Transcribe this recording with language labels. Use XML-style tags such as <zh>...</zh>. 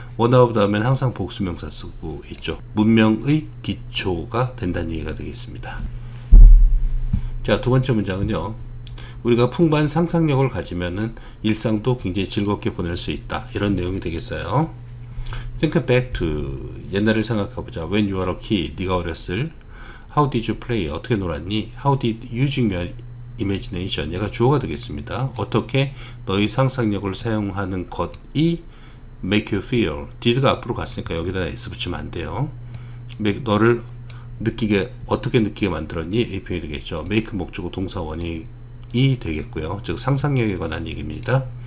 <en>One of the</en> <ko>하면 항상 복수명사 쓰고 있죠. 문명의 기초가 된다는 얘기가 되겠습니다. 자, 두 번째 문장은요. 우리가 풍부한 상상력을 가지면은 일상도 굉장히 즐겁게 보낼 수 있다. 이런 내용이 되겠어요.</ko> <en>Think back to</en> <ko>옛날을 생각해보자.</ko> <en>When you were a kid,</en> <ko>네가 어렸을</ko> <en>How did you play?</en> <ko>어떻게 놀았니?</ko> <en>How did using your imagination?</en> <ko>얘가 주어가 되겠습니다. 어떻게 너의 상상력을 사용하는 것이</ko> <en>make you feel?</en> <ko>Did가 앞으로 갔으니까 여기다 S 붙이면 안 돼요. 너를 어떻게 느끼게 만들었니? 이 표현이 되겠죠. make 목적어 동사 원형이 되겠고요. 즉 상상력에 관한 얘기입니다.</ko>